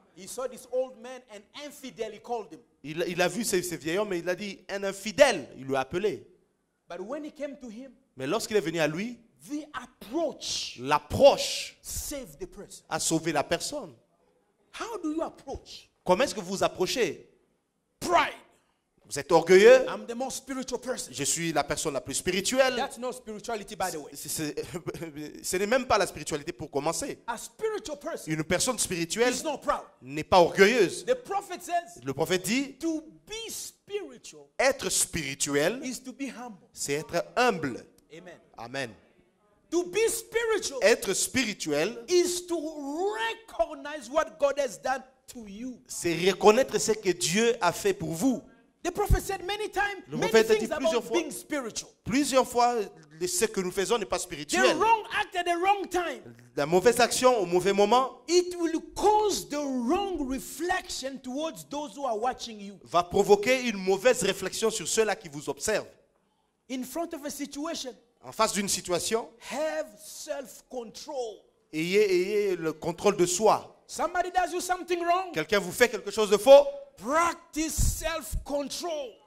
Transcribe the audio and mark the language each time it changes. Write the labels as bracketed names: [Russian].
[English] He saw this old man and infidel he called him. [French] Il a vu ce vieil homme et il a dit un infidèle, il l'a appelé. [English] But when he came to him, [French] mais lorsqu'il est venu à lui, [English] the approach, [French] l'approche [English] saved the person. [French] A sauvé la personne. [English] How do you approach? [French] Comment est-ce que vous approchez? [English] Pride. [French] Vous êtes orgueilleux. [English] I'm the most spiritual person. [French] Je suis la personne la plus spirituelle. [English] That's not spirituality, by the way. [French] Ce n'est même pas la spiritualité pour commencer. [English] A spiritual person. [French] Une personne spirituelle [English] is not proud. [French] N'est pas orgueilleuse. [English] The prophet says, [French] le prophète dit, [English] to be spiritual, [French] être spirituel, [English] is to be humble. [French] C'est être humble. [English] Amen. [French] Amen. [English] To be spiritual, [French] être spirituel, [English] is to recognize what God has done to you. [French] C'est reconnaître ce que Dieu a fait pour vous. [English] The prophet said many times, many things about being spiritual. [French] Plusieurs fois, ce que nous faisons n'est pas spirituel. [English] The wrong act at the wrong time. [French] La mauvaise action au mauvais moment. [English] It will cause the wrong reflection towards those who are watching you. [French] Va provoquer une mauvaise réflexion sur ceux-là qui vous observent. [English] In front of a situation. [French] En face d'une situation. [English] Have self-control. [French] Ayez le contrôle de soi. [English] Somebody does you something wrong. [French] Quelqu'un vous fait quelque chose de faux. [English] Practice self-control.